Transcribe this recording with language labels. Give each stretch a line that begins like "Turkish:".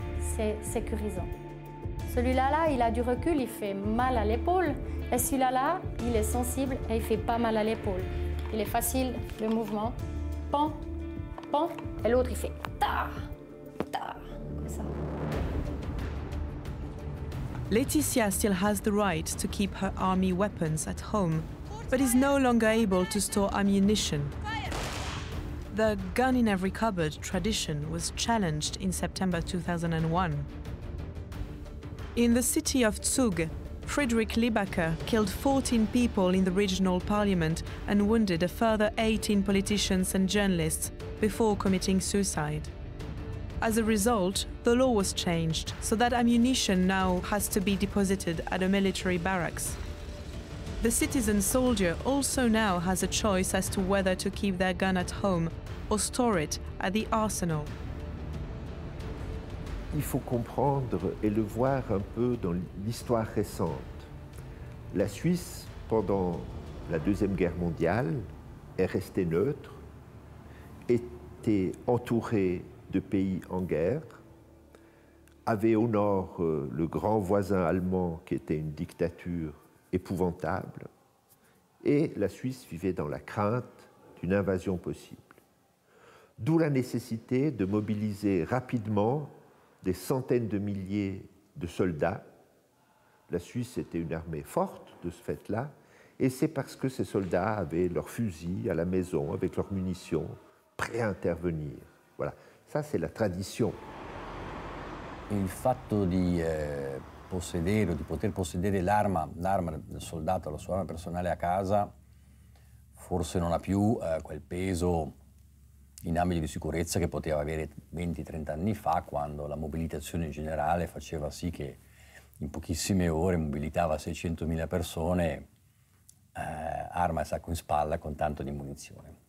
French: C'est sécurisant. Celui-là, là, il a du recul, il fait mal à l'épaule. Et celui-là, là, il est sensible et il fait pas mal à l'épaule. Il est facile, le mouvement. Pan, pan. Et l'autre, il fait ta, ta, comme ça.
English: Laetitia still has the right to keep her army weapons at home, but is no longer able to store ammunition. The gun in every cupboard tradition was challenged in September 2001. In the city of Zug, Friedrich Liebacher killed 14 people in the regional parliament and wounded a further 18 politicians and journalists before committing suicide. As a result, the law was changed so that ammunition now has to be deposited at a military barracks. The citizen soldier also now has a choice as to whether to keep their gun at home or store it at the arsenal.
French: Il faut comprendre et le voir un peu dans l'histoire récente. La Suisse, pendant la Deuxième Guerre mondiale, est restée neutre, était entourée de pays en guerre, avait au nord le grand voisin allemand qui était une dictature épouvantable, et la Suisse vivait dans la crainte d'une invasion possible. D'où la nécessité de mobiliser rapidement des centaines de milliers de soldats. La Suisse était une armée forte de ce fait-là, et c'est parce que ces soldats avaient leurs fusils à la maison, avec leurs munitions, prêts à intervenir. Voilà, ça c'est la tradition.
Italian: Il fatto di possedere o di poter possedere l'arma, l'arma del soldato, la sua arma personale a casa, forse non ha più quel peso in ambiti di sicurezza che poteva avere 20-30 anni fa, quando la mobilitazione in generale faceva sì che in pochissime ore mobilitava 600.000 persone, arma e sacco in spalla, con tanto di munizione.